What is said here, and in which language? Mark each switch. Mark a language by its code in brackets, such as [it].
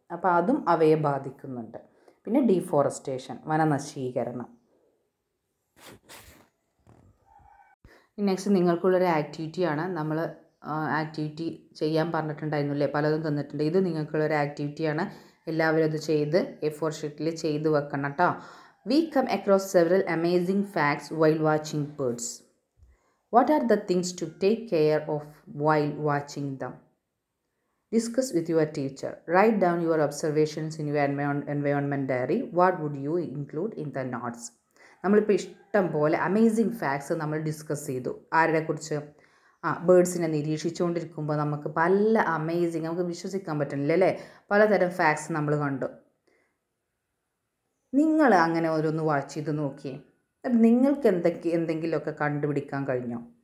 [ml] അപ്പോൾ അതും അവയെ ബാധിക്കുന്നുണ്ട്. പിന്നെ ഡീഫോറസ്റ്റേഷൻ, വനനശീകരണം. നെക്സ്റ്റ് നിങ്ങൾക്കുള്ളൊരു ആക്ടിവിറ്റിയാണ്. നമ്മൾ ആക്ടിവിറ്റി ചെയ്യാൻ പറഞ്ഞിട്ടുണ്ടായിരുന്നു അല്ലേ, പലതും തന്നിട്ടുണ്ട്. ഇത് നിങ്ങൾക്കുള്ളൊരു ആക്ടിവിറ്റിയാണ്. എല്ലാവരും അത് ചെയ്ത് എ4 ഷീറ്റിൽ ചെയ്ത് വെക്കണം കേട്ടോ. [en] We come across several amazing facts while watching birds. What are the things to take care of while watching them? Discuss with your teacher. Write down your observations in your environment diary. What would you include in the notes? [ml] നമ്മളിപ്പോൾ ഇഷ്ടം പോലെ amazing facts നമ്മൾ discuss ചെയ്തു. ആരുടെ കുറിച്ച്? ആ ബേഡ്സിനെ നിരീക്ഷിച്ചുകൊണ്ടിരിക്കുമ്പോൾ നമുക്ക് പല അമേസിംഗ്, നമുക്ക് വിശ്വസിക്കാൻ പറ്റുന്നില്ല അല്ലേ, പലതരം ഫാക്ട്സ് നമ്മൾ കണ്ടു. നിങ്ങൾ അങ്ങനെ ഓരോന്ന് വാച്ച് ചെയ്ത് നോക്കിയേ, നിങ്ങൾക്ക് എന്തെങ്കിലുമൊക്കെ കണ്ടുപിടിക്കാൻ കഴിഞ്ഞോ?